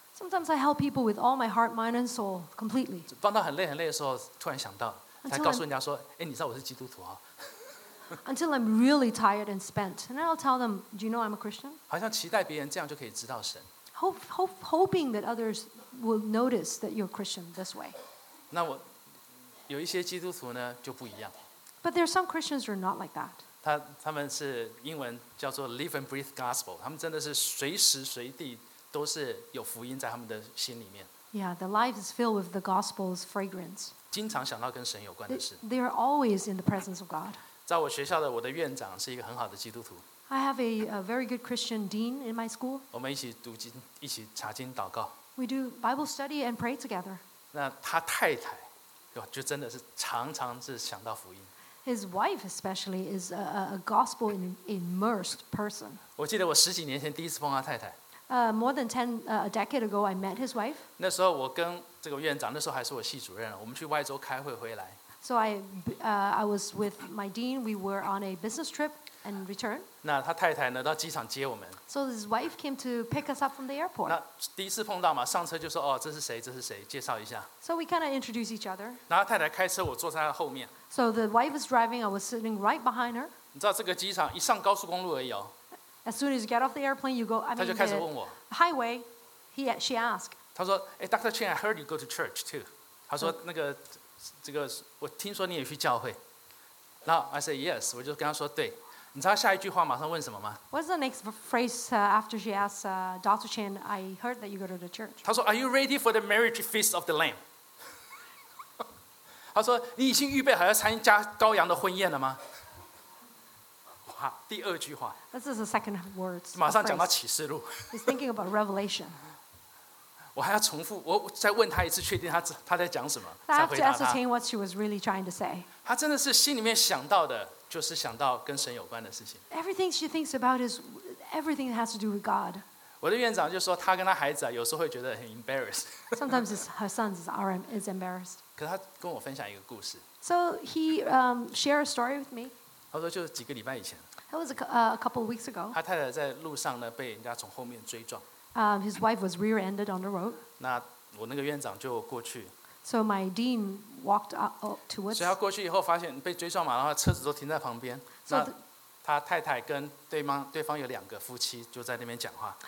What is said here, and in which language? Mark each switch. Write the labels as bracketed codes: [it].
[en] Sometimes I help people with all my heart, mind, and soul completely. [zh] 帮到很累很累的时候，突然想到，才告诉人家说：“哎，你知道我是基督徒啊。 [en] ”Until I'm really tired and spent, and I'll tell them, "Do you know I'm a Christian?" [zh] 好像期待别人这样就可以知道神。 [en] Hoping that others will notice that you're Christian this way. [zh] 那我有一些基督徒呢就不一样。 [en] But there are some Christians who are not like that. [zh] 他们是英文叫做 [en] live and breathe gospel. [zh] 他们真的是随时随地都是有福音在他们的心里面。 [en] Yeah, their life is filled with the gospel's fragrance. [zh] 经常想到跟神有关的事。 [en] They are always in the presence of God. [zh] 在我学校的我的院长是一个很好的基督徒。 [en] I have a very good Christian dean in my school. [zh] 我们一起读经，一起查经祷告。 [en] We do Bible study and pray together. [zh] 那他太太，就真的是常常是想到福音。 [en] His wife, especially, is a gospel immersed person. [zh] 我记得我十几年前第一次碰他太太。 [en] More than a decade ago, I met his wife. [zh] 那时候我跟这个院长，那时候还是我系主任，我们去外州开会回来。 [en] So I was with my dean. We were on a business trip and return. [zh] 那他太太呢，到机场接我们。 [en] So his wife came to pick us up from the airport. [zh] 那第一次碰到嘛，上车就说哦，这是谁？这是谁？介绍一下。 [en] So we kind of introduce each other. [zh] 然后太太开车，我坐在他后面。 [en] So the wife was driving, I was sitting right behind her. [zh] 你知道这个机场一上高速公路而已哦。 [en] As soon as you get off the airplane, you go, I mean, [zh] 他就开始问我。 [en] Highway, she asked. [zh] 他说，欸，Dr. [en] Chen, I heard you go to church too. [zh] 他说那个，这个，我听说你也去教会。然后 [en] I said, yes, [zh] 我就跟他说对。你知道下一句话马上问什么吗？ [en] What's the next phrase after she asked Dr. Chen, I heard that you go to the church? [zh] 他说 [en] are you ready for the marriage feast of the Lamb? [zh] 他说：“你已经预备好要参加羔羊的婚宴了吗？”哇！话，第二句话。 [en] This is the second words. [zh] 马上讲到启示录。 [en] He's thinking about Revelation. [zh] 我还要重复，我再问他一次，确定他在讲什么，再回答他。 [en] I have to ascertain what she was really trying to say. [zh] 他真的是心里面想到的，就是想到跟神有关的事情。 [en] Everything she thinks about is everything that has to do with God. [zh] 我的院长就说，他跟他孩子啊，有时候会觉得很 embarrassed. [en] Sometimes her sons is embarrassed. [zh] 可他跟我分享一个故事。 [en] So he shared a story with me. [zh] 他说就是几个礼拜以前。 [en] It was a couple of weeks ago. [zh] 他太太在路上呢，被人家从后面追撞。 [en] His wife was rear-ended on the road. [zh] 那我那个院长就过去。 [en] So my dean walked up towards. [zh] 所以他过去以后发现被追撞嘛，然后车子都停在旁边。那他太太跟对方有两个夫妻就在那边讲话。